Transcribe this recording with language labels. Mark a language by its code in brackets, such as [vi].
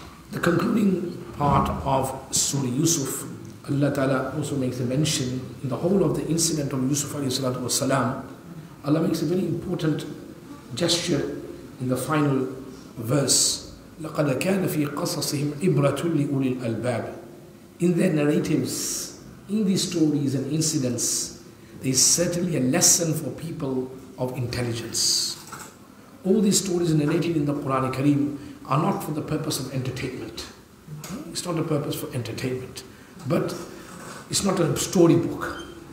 [en] The concluding part of Surah Yusuf, Allah Ta'ala also makes a mention in the whole of the incident of Yusuf alayhi salatu wa salam. Allah makes a very important gesture in the final verse. [ar] لقد كان في قصصهم عبرة لأولي الألباب. [en] In their narratives, in these stories and incidents, there is certainly a lesson for people of intelligence. All these stories narrated in the Quran Kareem are not for the purpose of entertainment. It's not a purpose for entertainment. But it's not a storybook.